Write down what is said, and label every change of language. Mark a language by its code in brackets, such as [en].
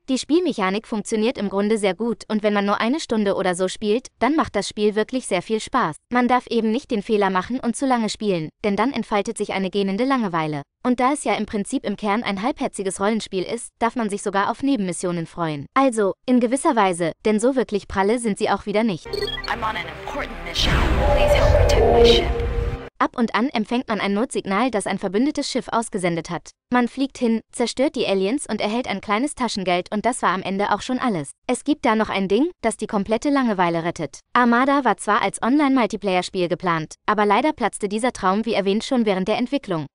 [de] Die Spielmechanik funktioniert im Grunde sehr gut und wenn man nur eine Stunde oder so spielt, dann macht das Spiel wirklich sehr viel Spaß. Man darf eben nicht den Fehler machen und zu lange spielen, denn dann entfaltet sich eine gähnende Langeweile. Und da es ja im Prinzip im Kern ein halbherziges Rollenspiel ist, darf man sich sogar auf Nebenmissionen freuen. Also, in gewisser Weise, denn so wirklich pralle sind sie auch wieder nicht. [en] I'm on an important mission. Please help protect my ship. [de] Ab und an empfängt man ein Notsignal, das ein verbündetes Schiff ausgesendet hat. Man fliegt hin, zerstört die Aliens und erhält ein kleines Taschengeld und das war am Ende auch schon alles. Es gibt da noch ein Ding, das die komplette Langeweile rettet. Armada war zwar als Online-Multiplayer-Spiel geplant, aber leider platzte dieser Traum wie erwähnt schon während der Entwicklung.